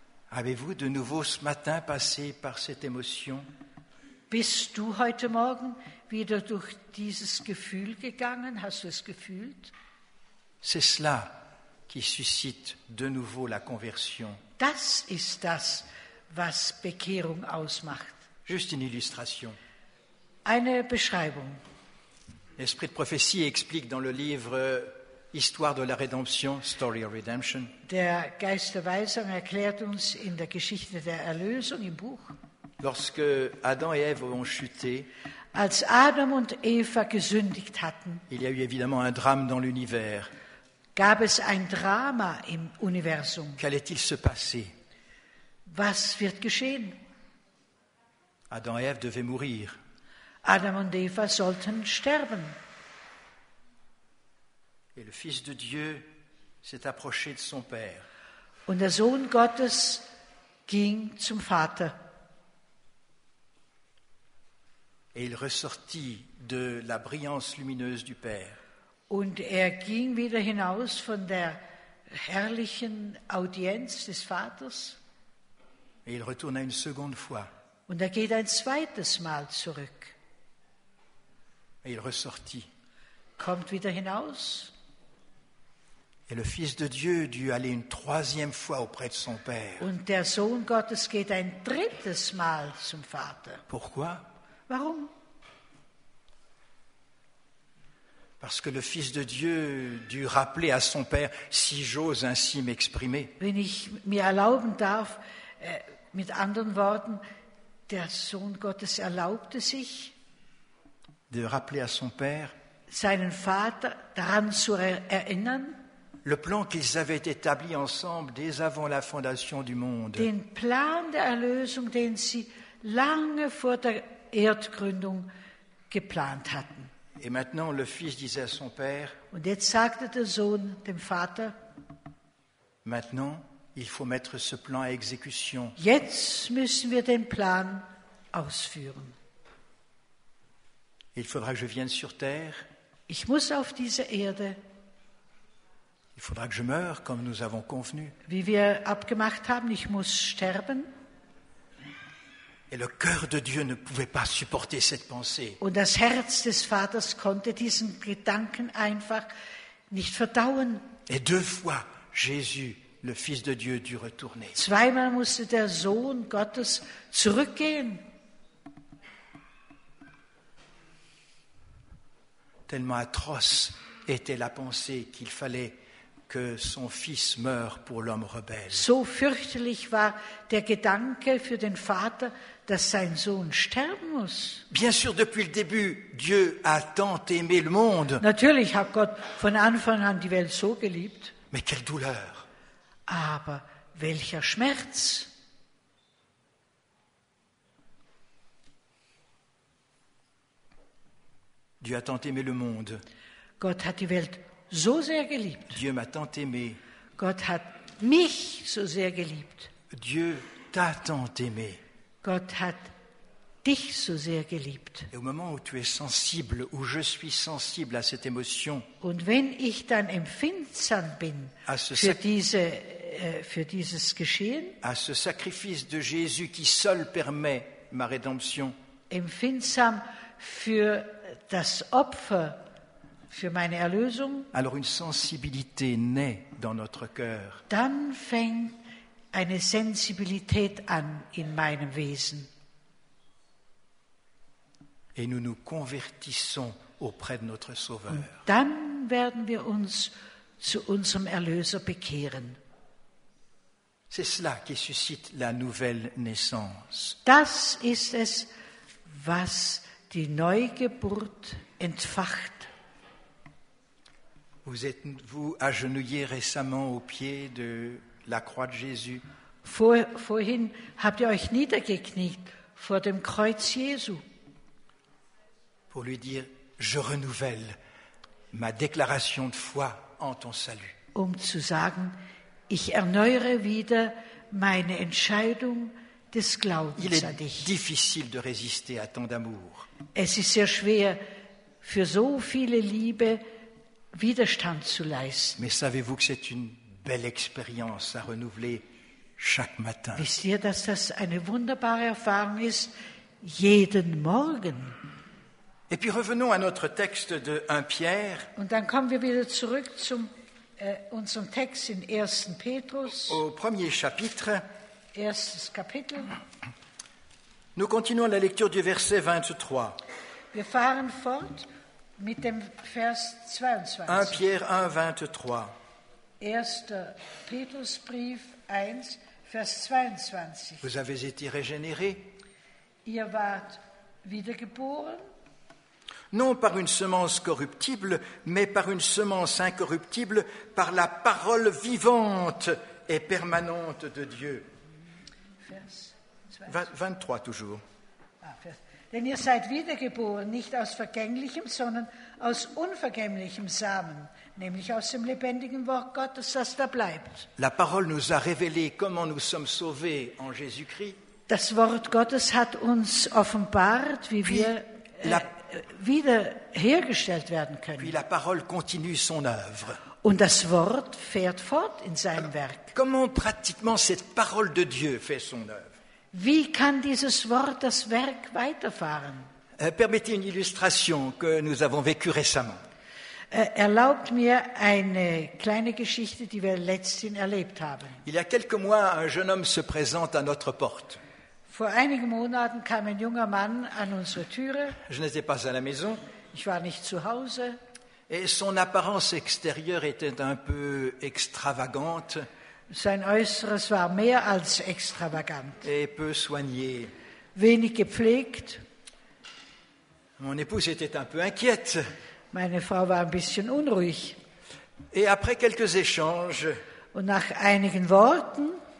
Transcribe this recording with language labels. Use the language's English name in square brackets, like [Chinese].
[French] Avez-vous de nouveau ce matin passé par cette émotion? [German] Bist du heute Morgen wieder durch dieses Gefühl gegangen? Hast du es gefühlt? [French] C'est cela qui suscite de nouveau la conversion. [German] Das ist das, was Bekehrung ausmacht. [French] Juste une illustration. [German] Eine Beschreibung. [French] L'esprit de prophétie explique dans le livre Histoire de la Rédemption, Story of Redemption. [German] Der Geist der Weisung erklärt uns in der Geschichte der Erlösung im Buch. [French] Lorsque Adam et Ève ont chuté, [German] als Adam und Eva gesündigt hatten, [French] il y a eu évidemment un drame dans l'univers. [German] Gab es ein Drama im Universum? [French] Qu'allait-il se passer? [German] Was wird geschehen? [French] Adam et Ève devaient mourir. [German] Adam und Eva sollten sterben. [French] Et le Fils de Dieu s'est approché de son Père. [German] Und der Sohn Gottes ging zum Vater. [French] Et il ressortit de la brillance lumineuse du Père. [German] Und er ging wieder hinaus von der herrlichen Audienz des Vaters. [French] Et il retourna une seconde fois. [German] Und er geht ein zweites Mal zurück. [French] Et il ressortit. [German] Kommt wieder hinaus. [French] Et le Fils de Dieu dut aller une troisième fois auprès de son Père. [German] Und der Sohn Gottes geht ein drittes Mal zum Vater. [French] Pourquoi? [German] Warum? [French] Parce que le Fils de Dieu dut rappeler à son Père, si j'ose ainsi m'exprimer. [German] Wenn ich mir erlauben darf, mit anderen Worten, der Sohn Gottes erlaubte sich, [French] de rappeler à son père [German] seinen Vater daran zu erinnern, [French] Le plan qu'ils avaient établi ensemble dès avant la fondation du monde. [German] Den Plan der Erlösung, den sie lange vor der Erdgründung geplant hatten. [French] Et maintenant, le fils disait à son père. [German] Und jetzt sagte der Sohn dem Vater. [French] Maintenant, il faut mettre ce plan à exécution. [German] Jetzt müssen wir den Plan ausführen. [French] Il faudra que je vienne sur terre. [German] Ich muss auf diese Erde. [French] Il faudra que je meure comme nous avons convenu. [German] Wie wir abgemacht haben, ich muss sterben. [French] Et le cœur de Dieu ne pouvait pas supporter cette pensée. [German] Und das Herz des Vaters konnte diesen Gedanken einfach nicht verdauen. [French] Et deux fois, Jésus, le Fils de Dieu, dut retourner. [German] Zweimal musste der Sohn Gottes zurückgehen. [French] Tellement atroce était la pensée qu'il fallait que son fils meure pour l'homme rebelle. [German] So fürchterlich war der Gedanke für den Vater, dass sein Sohn sterben muss. [French] Bien sûr, depuis le début, Dieu a tant aimé le monde. [German] Natürlich hat Gott von Anfang an die Welt so geliebt. [French] Mais quelle douleur. [German] Aber welcher Schmerz. [French] Dieu a tant aimé le monde. [German] Gott hat die Welt so sehr geliebt. [French] Dieu m'a tant aimé. [German] Gott hat mich so sehr geliebt. [French] Dieu t'a tant aimé. [German] Gott hat dich so sehr geliebt. [French] Et au moment où tu es sensible, où je suis sensible à cette émotion, [German] und wenn ich dann empfindsam bin für dieses Geschehen, [French] à ce sacrifice de Jésus qui seul permet ma rédemption, [German] empfindsam für das Opfer, für meine Erlösung, [French] alors une sensibilité naît dans notre cœur. [German] Dann fängt eine Sensibilität an in meinem Wesen. [French] Et nous nous convertissons auprès de notre Sauveur. [German] Und dann werden wir uns zu unserem Erlöser bekehren. [French] C'est cela qui suscite la nouvelle naissance. [German] Das ist es, was die Neugeburt entfacht. [French] Vous êtes-vous agenouillé récemment au pied de la croix de Jésus? [German] Vorhin habt ihr euch niedergekniet vor dem Kreuz Jesu. [French] Pour lui dire, je renouvelle ma déclaration de foi en ton salut. [German] Um zu sagen, ich erneuere wieder meine Entscheidung des Glaubens an dich. [French] Il est [German] an dich. [French] Difficile de résister à tant d'amour. [German] Es ist sehr schwer, für so viele Liebe Widerstand zu leisten. [French] Mais savez-vous que c'est une belle expérience à renouveler chaque matin? [German] Wisst ihr, dass das eine wunderbare Erfahrung ist, jeden Morgen? [French] Et puis revenons à notre texte de 1 Pierre. [German] Und dann kommen wir wieder zurück zum unserem Text in 1. Petrus. [French] Au premier chapitre. [German] Erstes Kapitel. [French] Nous continuons la lecture du verset 23. [German] Wir fahren fort mit dem Vers 22. [French] 1 Pierre 1, 23. [German] 1. Petrusbrief 1, Vers 22. [French] Vous avez été régénéré. [German] Ihr wart wiedergeboren. [French] Non par une semence corruptible, mais par une semence incorruptible, par la parole vivante et permanente de Dieu. Vers 23 toujours. [German] Denn ihr seid wiedergeboren, nicht aus vergänglichem, sondern aus unvergänglichem Samen, nämlich aus dem lebendigen Wort Gottes, das da bleibt. [French] La parole nous a révélé comment nous sommes sauvés en Jésus-Christ. [German] Das Wort Gottes hat uns offenbart, wie wir wiederhergestellt werden können. [French] Puis la parole continue son œuvre. [German] Und das Wort fährt fort in seinem Werk. [French] Comment pratiquement cette parole de Dieu fait son œuvre? [German] Wie kann dieses Wort das Werk weiterfahren? [French] Permettez une illustration que nous avons vécue récemment. [German] Erlaubt mir eine kleine Geschichte, die wir letzthin erlebt haben. [French] Il y a quelques mois, un jeune homme se présente à notre porte. [German] Vor einigen Monaten kam ein junger Mann an unsere Türe. [French] Je n'étais pas à la maison. [German] Ich war nicht zu Hause. [French] Et son apparence extérieure était un peu extravagante. [German] Sein Äußeres war mehr als extravagant. [French] Et peu soigné. [German] Wenig gepflegt. [French] Mon épouse était un peu inquiète. [German] Meine Frau war ein bisschen unruhig. [French] Et après quelques échanges, [German] und nach einigen Worten,